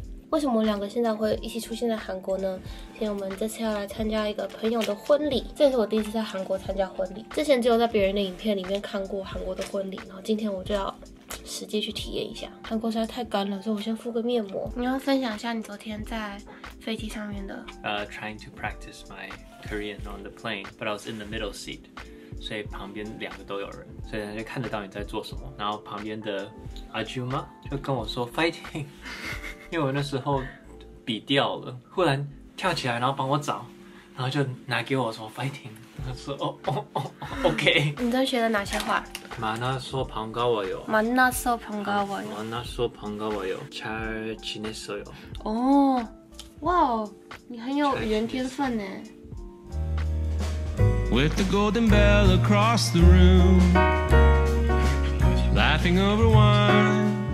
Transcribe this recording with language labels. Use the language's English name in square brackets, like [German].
[Chinese] 为什么我们两个现在会一起出现在韩国呢？因为我们这次要来参加一个朋友的婚礼，这也是我第一次在韩国参加婚礼。之前只有在别人的影片里面看过韩国的婚礼，然后今天我就要实际去体验一下。韩国实在太干了，所以我先敷个面膜。你要分享一下你昨天在飞机上面的？ [English] Trying to practice my Korean on the plane, but I was in the middle seat, [Chinese] 所以旁边两个都有人，所以人家看得到你在做什么。然后旁边的阿舅妈就跟我说 fighting。因为我那时候笔掉了，忽然跳起来，然后帮我找，然后就拿给我说 fighting， 他说OK。你都学了哪些话？ [Korean] 만나서반가워요。 만나서반가워요。 만나서반가워요。 잘지냈어요。 [Chinese] 哦，哇哦，你很有语言天分呢。 [English] With the golden bell across the room, laughing over wine,